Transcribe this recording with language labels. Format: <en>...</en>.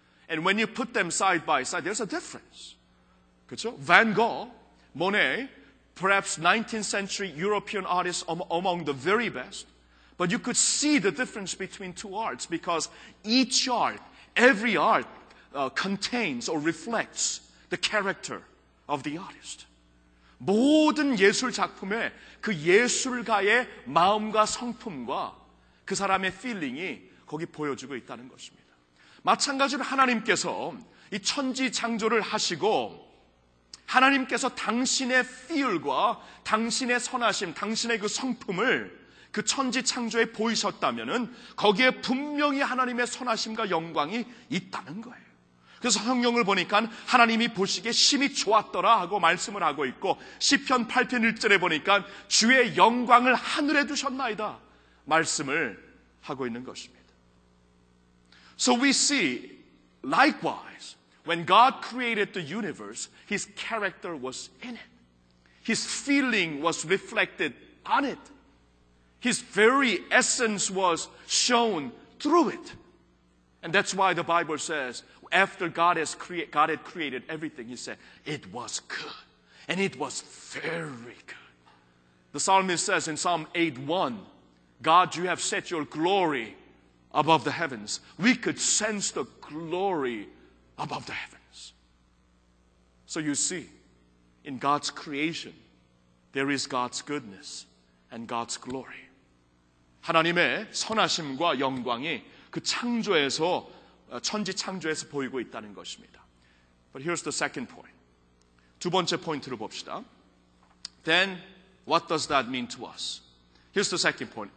<en>And when you put them side by side, there's a difference.</en> <ko>그쵸?</ko> <en>Van Gogh, Monet, perhaps 19th century European artists among the very best. But you could see the difference between two arts because each art, every art contains or reflects the character of the artist.</en> <ko>모든 예술 작품에 그 예술가의 마음과 성품과 그 사람의 필링이 거기 보여주고 있다는 것입니다. 마찬가지로 하나님께서 이 천지 창조를 하시고 하나님께서 당신의 필과 당신의 선하심, 당신의 그 성품을 그 천지 창조에 보이셨다면은 거기에 분명히 하나님의 선하심과 영광이 있다는 거예요. 그래서 성경을 보니까 하나님이 보시기에 심히 좋았더라 하고 말씀을 하고 있고 시편 8편 1절에 보니까 주의 영광을 하늘에 두셨나이다 말씀을 하고 있는 것입니다.</ko> <en>So we see, likewise, when God created the universe, His character was in it. His feeling was reflected on it. His very essence was shown through it. And that's why the Bible says, after God had created everything, he said, it was good. And it was very good. The psalmist says in Psalm 8:1, God, you have set your glory above the heavens. We could sense the glory above the heavens. So you see, in God's creation, there is God's goodness and God's glory.</en> <ko>하나님의 선하심과 영광이 그 창조에서, 천지 창조에서 보이고 있다는 것입니다.</ko> <en>But here's the second point.</en> <ko>두 번째 포인트를 봅시다.</ko> <en>Then, what does that mean to us? Here's the second point.</en>